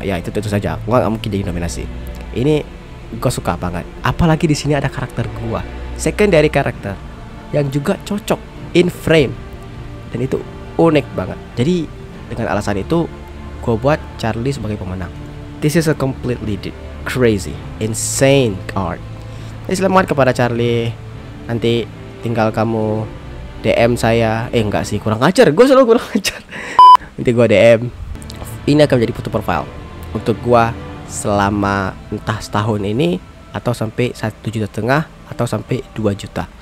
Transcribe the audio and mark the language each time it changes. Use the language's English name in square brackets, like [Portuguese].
[Indonesian] Ya, itu tentu saja. Gua enggak mungkin jadi nominasi. Ini gua suka banget. Apalagi di sini ada karakter gua, secondary karakter yang juga cocok [English] in frame. [Indonesian] Dan itu unik banget. Jadi, dengan alasan itu gua buat Charlie sebagai pemenang. [English] This is a completely crazy, insane card. [Indonesian] Jadi selamat kepada Charlie. Nanti tinggal kamu DM saya. Enggak sih, kurang ajar. Gua selalu kurang ajar. Nanti gua DM. Ini akan menjadi foto profile untuk gua selama entah setahun ini atau sampai 1.5 juta atau sampai 2 juta.